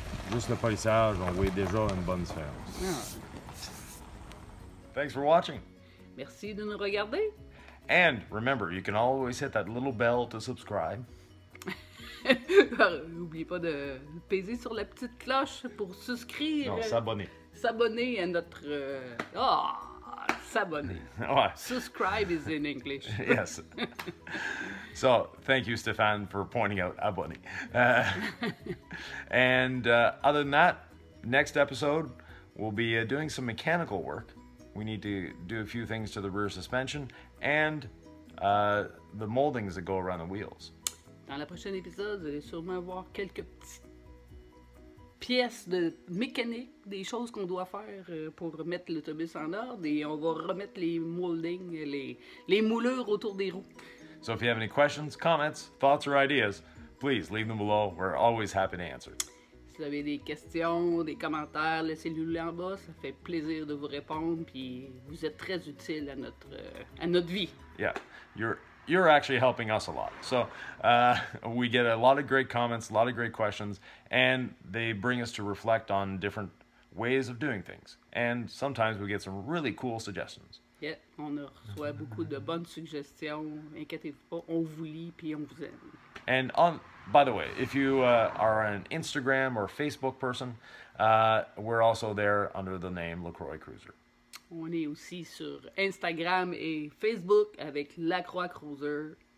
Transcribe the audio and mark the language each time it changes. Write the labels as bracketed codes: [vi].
[fr] Juste le polissage, on voit déjà une bonne différence. [en] Thanks for watching. [fr] Merci de nous regarder. [en] And remember, you can always hit that little bell to subscribe. [fr] N'oubliez pas de peser sur la petite cloche pour souscrire. Non, s'abonner. S'abonner à notre... S'abonner. Ouais. [en] Subscribe is in English. Yes. So, thank you, Stéphane, for pointing out abonné. And other than that, next episode, we'll be doing some mechanical work. We need to do a few things to the rear suspension and the moldings that go around the wheels. [fr] Dans le prochain épisode, vous allez sûrement voir quelques petites pièces de mécanique, des choses qu'on doit faire pour mettre l'autobus en ordre et on va remettre les moldings, les moulures autour des roues. [en] So if you have any questions, comments, thoughts or ideas, please leave them below. We're always happy to answer. [fr] Si vous avez des questions, des commentaires, laissez-les en bas. Ça fait plaisir de vous répondre puis vous êtes très utile à notre vie. [en] Yeah, you're actually helping us a lot. So we get a lot of great comments, a lot of great questions, and they bring us to reflect on different ways of doing things. And sometimes we get some really cool suggestions. [fr] Yeah, on reçoit beaucoup de bonnes suggestions. Inquiétez-vous pas, on vous lit puis on vous aime. [en] And on, by the way, if you are an Instagram or Facebook person, we're also there under the name Lacroix Cruiser. [fr] On est aussi sur Instagram et Facebook avec Lacroix Cruiser.